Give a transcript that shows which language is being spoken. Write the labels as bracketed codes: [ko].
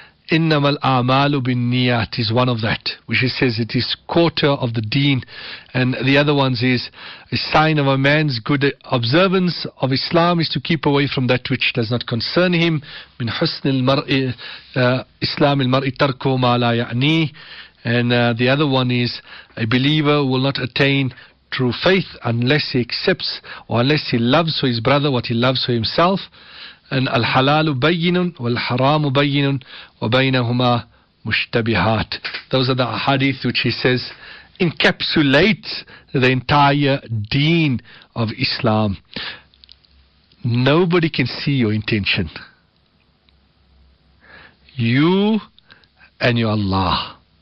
[ar] إنما الأعمال بالنيات [en] is one of that, which he says it is quarter of the deen. And the other ones is a sign of a man's good observance of Islam is to keep away from that which does not concern him. [ar] من حسن المرء إسلام المرء ترك ما لا يعني. [en] And the other one is a believer will not attain true faith unless he accepts or unless he loves for his brother what he loves for himself. [ar] أن الحلال بين والحرام بين وبينهما مشتبهات. [en] Those are the hadith which he says encapsulates the entire deen of Islam. Nobody can see your intention. You and your Allah.